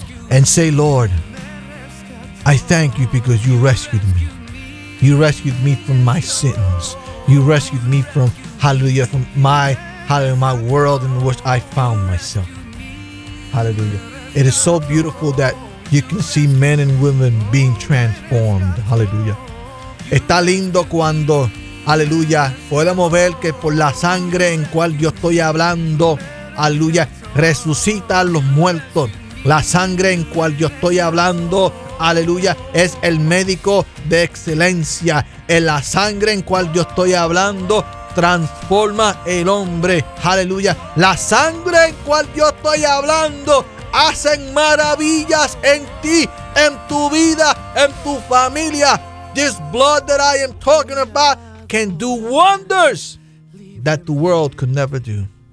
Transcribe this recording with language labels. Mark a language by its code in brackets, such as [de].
[en] And say, Lord, I thank you because you rescued me. You rescued me from my sins. You rescued me from, hallelujah, from my, hallelujah, my world in which I found myself. Hallelujah. It is so beautiful that you can see men and women being transformed. Hallelujah. [es] Está lindo cuando, hallelujah, podemos ver que por la sangre en cual yo estoy hablando, hallelujah, resucita a los muertos. La sangre en cual yo estoy hablando, hallelujah, es el médico de excelencia. En la sangre en cual yo estoy hablando transforma el hombre. Hallelujah. La sangre en cual yo estoy hablando hacen maravillas en ti, en tu vida, en tu familia. [en] This blood that I am talking about can do wonders that the world could never do.